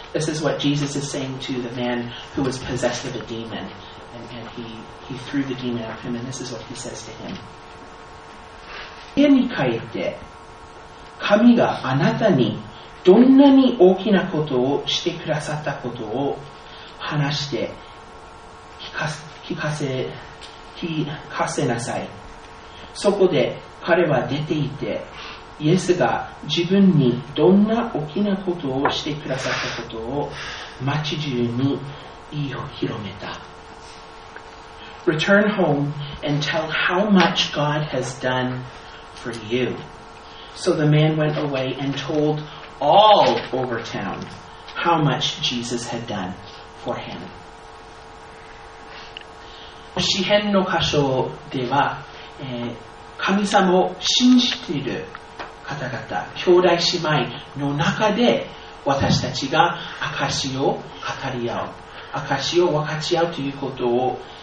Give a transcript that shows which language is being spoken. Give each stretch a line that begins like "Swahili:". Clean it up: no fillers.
English: This is what Jesus is saying to the man who was possessed of a demon. And he threw the demon out of him, and this is what he says to him.
Japanese: 家に帰って、神があなたにどんなに大きなことをしてくださったことを話して聞かせなさい。そこで彼は出て行って、イエスが自分にどんな大きなことをしてくださったことを町中に言い広めた。
English: Return home and tell how much God has done for you. So the man went away and told all over town how much Jesus had done for him.
Japanese: 詩編の箇所では、神様を信じている方々、兄弟姉妹の中で私たちが証しを語り合う、証しを分かち合うということを、